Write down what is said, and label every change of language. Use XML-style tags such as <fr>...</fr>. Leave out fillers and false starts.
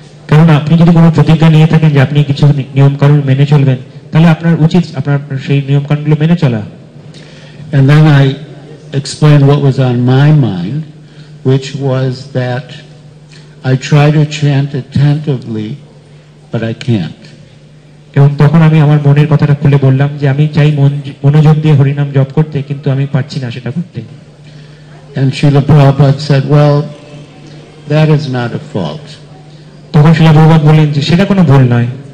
<bn>কারণ আপনি যদি কোনো প্রতিজ্ঞা নিয়ে থাকেন যে আপনি কিছু নিয়মকানুন মেনে চলবেন তাহলে আপনার উচিত আপনার সেই নিয়মকানুনগুলো মেনে চলা।</bn> <en>And then I explained what was on my mind, which was that I try to chant attentively, but I can't.</en> <bn>এবং তখন আমি আমার মনের কথাটা খুলে বললাম যে আমি চাই মনোযোগ দিয়ে হরিনাম জপ করতে, কিন্তু আমি পারছি না সেটা করতে।</bn> <en>And Srila Prabhupada said, well, that is not a fault.</en> <bn>তখন Srila Prabhupada বললেন যে সেটা কোনো ভুল নয়।</bn>